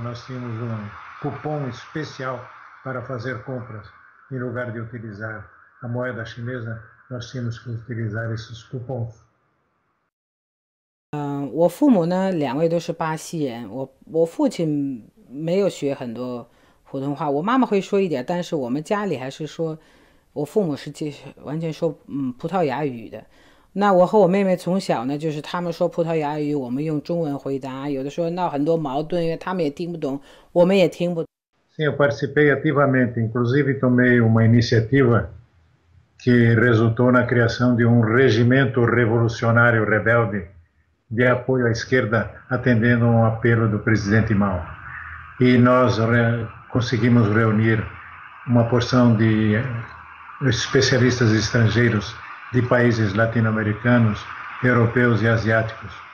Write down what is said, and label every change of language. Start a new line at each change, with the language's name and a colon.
Portuguese: Nós tínhamos um cupom especial para fazer compras. Em lugar de utilizar a moeda chinesa, nós tínhamos que utilizar esses cupons.
Chinese: 我父母呢，两位都是巴西人。我父亲没有学很多。普通话，我妈妈会说一点，但是我们家里还是说，我父母是完全说葡萄牙语的。那我和我妹妹从小呢，就是他们说葡萄牙语，我们用中文回答，有的时候闹很多矛盾，因为他们也听不懂，我们也听不懂。
Portuguese: Sim, eu participei ativamente, inclusive tomei uma iniciativa que resultou na criação de regimento revolucionário rebelde de apoio à esquerda, atendendo apelo do presidente Mao. E nós conseguimos reunir uma porção de especialistas estrangeiros de países latino-americanos, europeus e asiáticos.